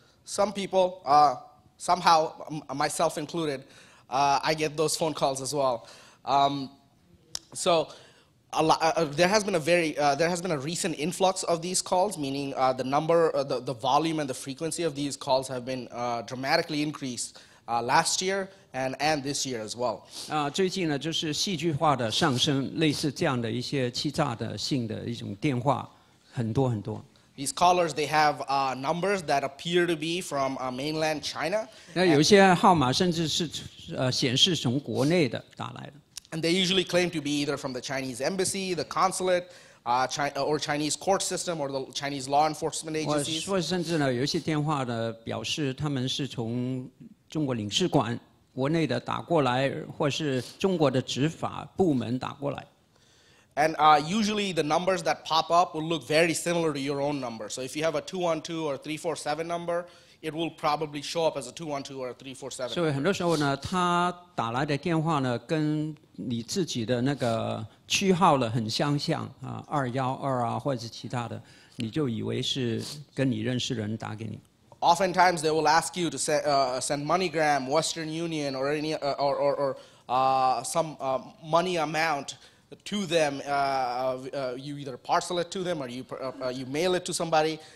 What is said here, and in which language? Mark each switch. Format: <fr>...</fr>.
<en>Some people, somehow, myself included, I get those phone calls as well. So, there has been a recent influx of these calls, meaning the number, the volume and the frequency of these calls have been dramatically increased last year and this year as well.</en> <zh>最近呢，就是戏剧化的上升，类似这样的一些欺诈的性的一种电话，很多很多。</zh> <en>These callers, they have numbers that appear to be from mainland China.</en> <zh>那有些号码甚至是显示从国内的打来的。</zh> <en>And they usually claim to be either from the Chinese embassy, the consulate, or Chinese court system, or the Chinese law enforcement agencies.</en> <zh>说甚至呢，有些电话呢表示他们是从中国领事馆国内的打过来，或是中国的执法部门打过来。</zh> <en>And usually the numbers that pop up will look very similar to your own number. So if you have a 212 or 347 number, it will probably show up as a 212 or a 347.</en> <zh>所以很多时候呢，他打来的电话呢，跟你自己的那个区号呢很相像啊，212啊，或者是其他的，你就以为是跟你认识的人打给你。</zh> <en>Oftentimes they will ask you to send MoneyGram, Western Union, or any money amount to them. You either parcel it to them or you mail it to somebody.</en>